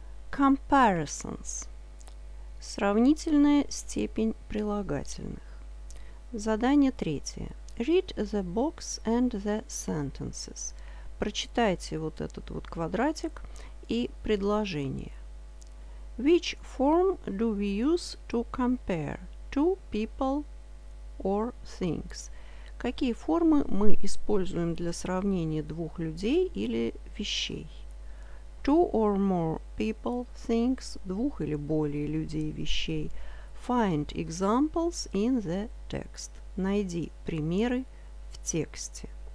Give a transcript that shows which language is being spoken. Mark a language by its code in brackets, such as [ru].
[en] Comparisons. [ru] Сравнительная степень прилагательных. Задание третье. [en] Read the box and the sentences. [ru] Прочитайте вот этот вот квадратик и предложение. [en] Which form do we use to compare two people or things? [ru] Какие формы мы используем для сравнения двух людей или вещей? [en] Two or more people, things, [ru] двух или более людей, вещей. [en] Find examples in the text. [ru] Найди примеры в тексте.